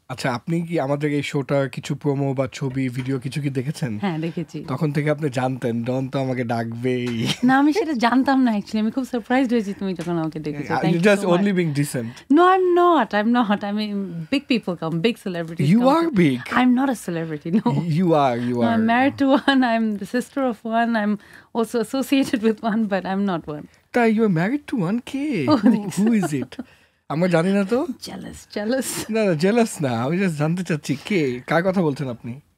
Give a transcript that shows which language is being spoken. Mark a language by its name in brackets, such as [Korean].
[Bangla] আচ্ছা, আপনি কি আমাদের এই শোটার কিছু প্রোমো বা ছবি ভিডিও কিছু কি দেখেছেন? হ্যাঁ দেখেছি। তখন থেকে আপনি জানতেন ডন তো আমাকে ডাকবেই? না, আমি সেটা জানতাম না actually. আমি খুব সারপ্রাইজড হয়েছি তুমি যখন আমাকে দেখেছো। [English] You're just only being decent. No, I'm not. I'm not. I mean, big people come, big celebrities come. You are big. I'm not a celebrity, no. You are. No, I'm married to one, I'm the sister of one, I'm also associated with one, but I'm not one. [Bangla] তাই [English] you are married to one [Bangla] K? [English] Who is it? [Bangla] আমরা জানি না তো। Jealous, jealous? না না, jealous না, আমি just জানতে চাচ্ছি কে, কার কথা বলছেন আপনি?